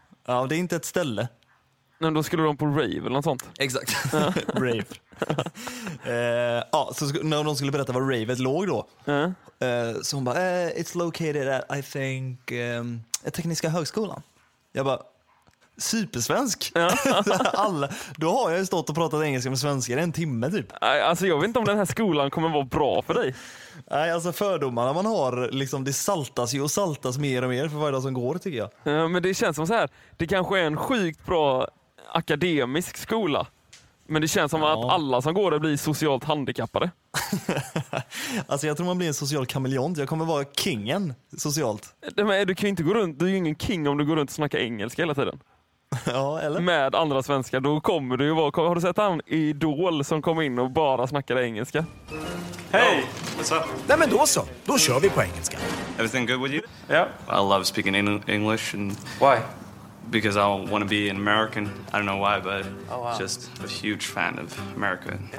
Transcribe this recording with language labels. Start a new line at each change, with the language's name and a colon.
Swedish: Ja, det är inte ett ställe. Men då skulle de på rave eller något sånt. Exakt, rave. Ja, så när de skulle berätta var ravet låg då. Så hon bara,
English: it's located at, I think...
Swedish: Tekniska högskolan. Jag bara, supersvensk. Ja. Alla, då har jag ju stått och pratat engelska med svenskar en timme typ. Alltså jag vet inte om den här skolan kommer vara bra för dig. Nej, alltså fördomarna man har, liksom, det saltas ju och saltas mer och mer för varje dag som går tycker jag. Ja, men det känns som så här, det kanske är en sjukt bra akademisk skola. Men det känns som att alla som går där blir socialt handikappade. Alltså jag tror man blir en social kameleont. Jag kommer vara kingen socialt. Men du kan ju inte gå runt, du är ju ingen king om du går runt och snackar engelska hela tiden. Ja, eller? Med andra svenskar, då kommer du ju vara... Har du sett han Idol som kom in och bara snackade engelska? Hej! Nej men då så, då kör vi på engelska.
English: Everything good with you? Yeah. I love speaking English and... Why? Because I want to be an American. I don't know why, but just a huge fan of America.